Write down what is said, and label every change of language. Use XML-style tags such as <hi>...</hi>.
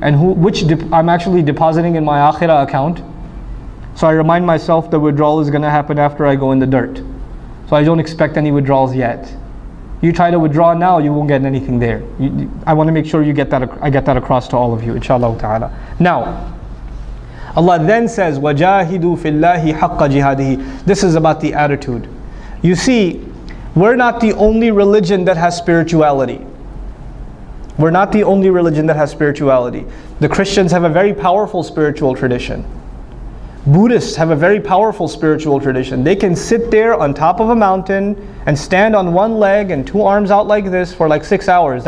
<en>And which I'm actually depositing in my akhirah account. So I remind myself the withdrawal is going to happen after I go in the dirt. So I don't expect any withdrawals yet. you try to withdraw now, you won't get anything there. I want to make sure you get that. I get that across to all of you, inshallah ta'ala. Now, Allah then says,</en> <ar>وَجَاهِدُوا فِي اللَّهِ حَقَّ جِهَادِهِ.</ar> <en>This is about the attitude. You see, we're not the only religion that has spirituality. We're not the only religion that has spirituality. The Christians have a very powerful spiritual tradition. Buddhists have a very powerful spiritual tradition. They can sit there on top of a mountain and stand on one leg and two arms out like this for like 6 hours.</en>